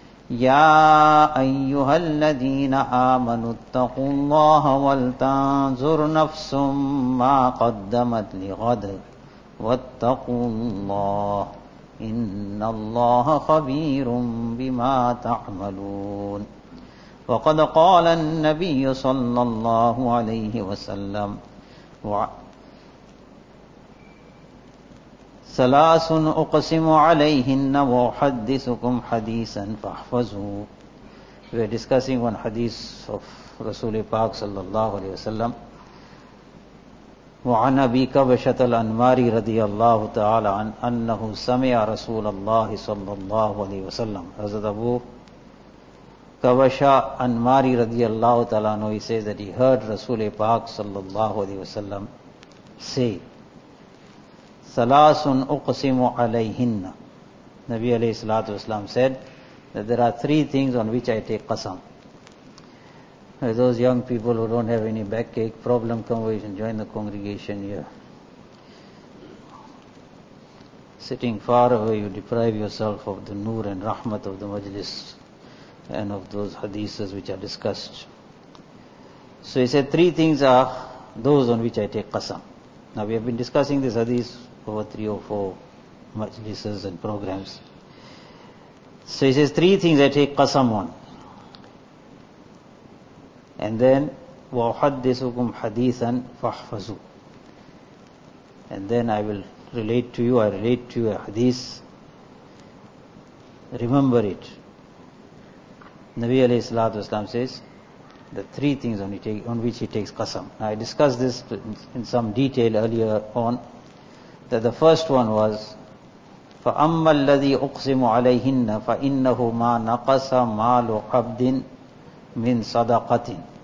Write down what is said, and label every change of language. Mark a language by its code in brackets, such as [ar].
[ar] يا أيها الذين آمنوا اتقوا الله ولتنظر نفس ما قدمت لغد واتقوا الله إن الله خبير بما تعملون. وقد قال النبي صلى الله عليه وسلم ثلاث أقسم عليهن وأحدثكم حديثا فاحفظوا. [en] We are discussing one hadith of رسول پاک صلى الله عليه وسلم. [ar] وعن أبي كبشة الأنماري رضي الله تعالى عن أنه سمع رسول الله صلى الله عليه وسلم. [en] حضرت أبو Kawasha Anmari radiallahu ta'ala anhu, he says that he heard Rasul-e-Pak sallallahu alayhi wa sallam say, [ar] Salasun uqsimu alayhinna. [en] Nabi alayhi salatu wa sallam said that there are three things on which I take qasam. Those young people who don't have any backache problem, come away and join the congregation here. Sitting far away, you deprive yourself of the noor and rahmat of the majlis and of those hadiths which are discussed. So he said, three things are those on which I take qasam. Now we have been discussing this hadith over three or four majlises and programs. So he says, three things I take qasam on. And then, [ar] وَأُحَدِّثُكُمْ حَدِيثًا فَحْفَزُ. [en] And then I relate to you a hadith. Remember it. Nabi alayhi salatu wasalam says the three things on which he takes qasam. I discussed this in some detail earlier on, that the first one was [ar] فَأَمَّا الَّذِي أُقْسِمُ عَلَيْهِنَّ فَإِنَّهُ مَا نَقَسَ مَالُ عَبْدٍ مِنْ صَدَقَةٍ.